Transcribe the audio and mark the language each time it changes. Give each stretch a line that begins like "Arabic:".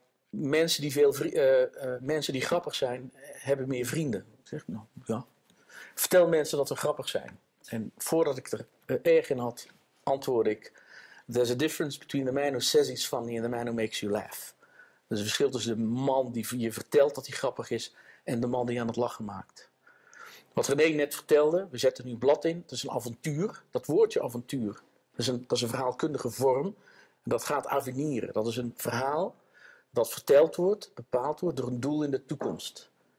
Dutch: Mensen die grappig zijn, hebben meer vrienden. Ik zeg, nou, ja. Vertel mensen dat ze grappig zijn. En voordat ik er erg in had, antwoordde ik,
English: there's a difference between the man who says he's funny and the man who makes you laugh.
Dutch: Er is een verschil tussen de man die je vertelt dat hij grappig is en de man die aan het lachen maakt. Wat René net vertelde, we zetten nu blad in, het is een avontuur. Dat woordje avontuur, dat is een verhaalkundige vorm. Dat gaat avenieren. Dat is een verhaal dat verteld wordt, bepaald wordt door een doel in de toekomst.